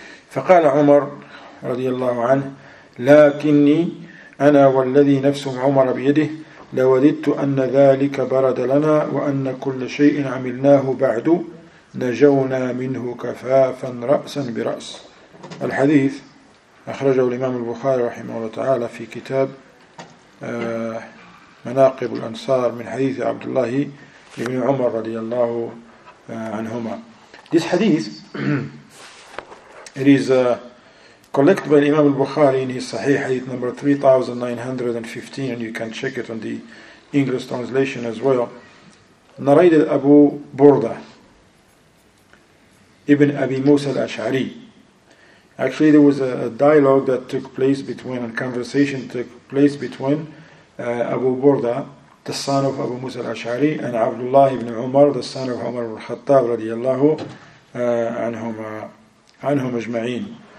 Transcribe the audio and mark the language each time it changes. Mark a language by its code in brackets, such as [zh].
[ar] فقال عمر رضي الله عنه لكني أنا والذي نفس عمر بيده لوددت أن ذلك برد لنا وأن كل شيء عملناه بعد نجونا منه كفافا رأسا برأس. الحديث أخرجه الإمام البخاري رحمه الله تعالى في كتاب مناقب الأنصار من حديث عبد الله بن عمر رضي الله عنهما. [en] This hadith, it is collected by الإمام البخاري in his Sahih, hadith number 3915, and you can check it on the English translation as well. [ar] نريد أبو بردة ابن أبي موسى الأشعري. [en] Actually, there was a dialogue that took place between, a conversation took place between Abu Burda, the son of Abu Musa al-Ash'ari, and Abdullah ibn Umar, the son of Umar al-Khattab, radiallahu anhum ajma'in.